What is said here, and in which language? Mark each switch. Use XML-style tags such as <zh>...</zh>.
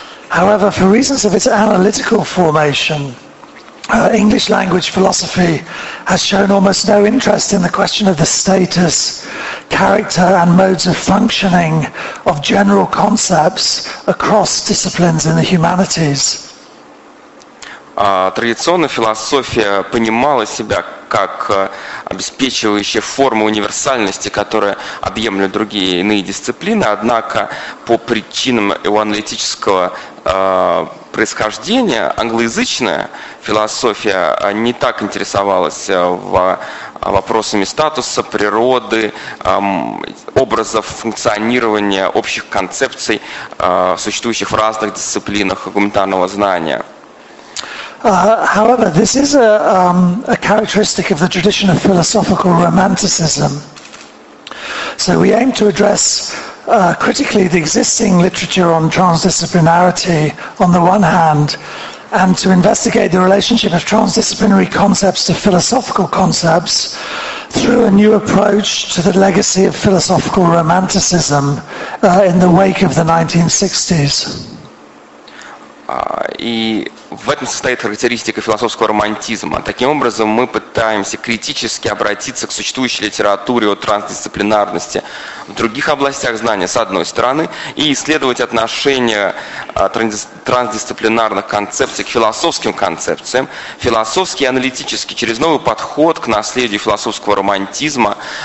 <en>However, for reasons of its analytical formation, English language philosophy has shown almost no interest in the question of the status, character, and modes of functioning of general concepts across disciplines in the humanities.</en> <ru>Традиционно философия понимала себя как обеспечивающая форму универсальности, которая объемлет другие иные дисциплины, однако по причинам его аналитического происхождения англоязычная философия не так интересовалась вопросами статуса, природы, образов функционирования общих концепций, существующих в разных дисциплинах гуманитарного знания.</ru> <en>However, this is a characteristic of the tradition of philosophical romanticism. So we aim to address critically the existing literature on transdisciplinarity on the one hand, and to investigate the relationship of transdisciplinary concepts to philosophical concepts through a new approach to the legacy of philosophical romanticism in the wake of the 1960s.</en> <ru>И в этом состоит характеристика философского романтизма. Таким образом, мы пытаемся критически обратиться к существующей литературе о трансдисциплинарности в других областях знания, с одной стороны, и исследовать отношение трансдисциплинарных концепций к философским концепциям, философски и аналитически, через новый подход к наследию философского романтизма</ru>